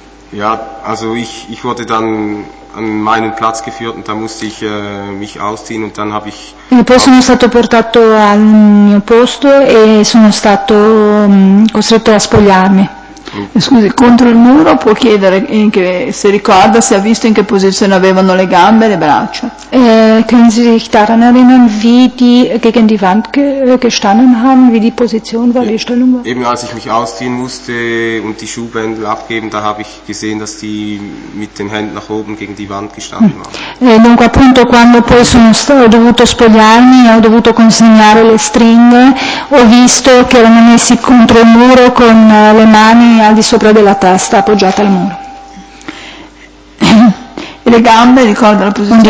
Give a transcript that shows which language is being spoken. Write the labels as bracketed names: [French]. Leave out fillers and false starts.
[German] Ja, also ich wurde dann an meinen Platz geführt und da musste ich mich ausziehen und dann habe ich. [Italian] E poi sono stato portato al mio posto e sono stato costretto a spogliarmi. Scusi, contro il muro può chiedere se ricorda, se ha visto in che posizione avevano le gambe e le braccia. [German] Können Sie sich daran erinnern, wie die gegen die Wand gestanden haben, wie die Position war, die Stellung war? Eben als ich mich ausziehen musste und die Schuhbändel abgeben, da habe ich gesehen, dass die mit den Händen nach oben gegen die Wand gestanden waren. [Italian] Dunque appunto quando poi ho dovuto spogliarmi, ho dovuto consegnare le stringhe, ho visto che erano messi contro il muro con le mani al di sopra della testa appoggiata al muro. E le gambe, ricorda la posizione di